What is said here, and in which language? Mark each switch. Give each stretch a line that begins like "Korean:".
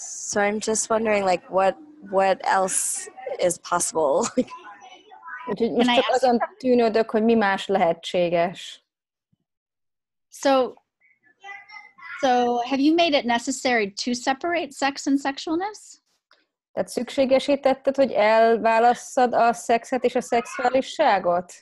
English: So I'm just wondering, like, what else is possible?
Hungarian: Úgyhogy most csak azon tűnődök, hogy mi más lehetséges.
English: So, have you made it necessary to separate sex and sexualness?
Hungarian: Tehát szükségesítetted, hogy elválasszad a szexet és a szexualiságot?